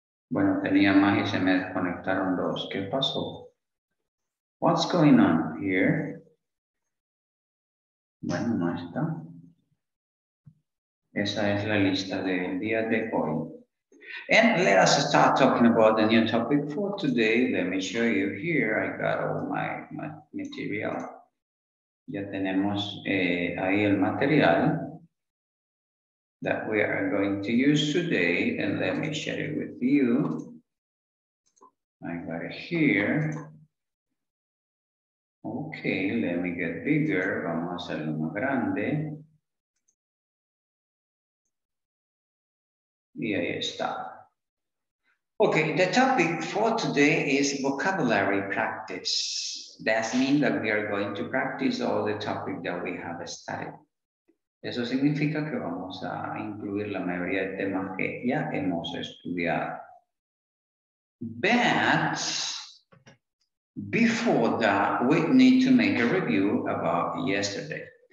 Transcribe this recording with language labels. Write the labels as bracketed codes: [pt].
[es] Bueno, tenía más y se me desconectaron dos. ¿Qué pasó? [en] What's going on here? [es] Bueno, no está. Esa es la lista del día de hoy. [en] And let us start talking about the new topic for today. Let me show you here. I got all my material. [es] Ya tenemos ahí el material [en] that we are going to use today. And let me share it with you. I got it here. Okay, let me get bigger. [es] Vamos a hacerlo más grande. Y ahí está. [en] Okay, the topic for today is vocabulary practice. That means that we are going to practice all the topic that we have studied. [es] Eso significa que vamos a incluir la mayoría de temas que ya hemos estudiado. [en] But before that, we need to make a review about yesterday.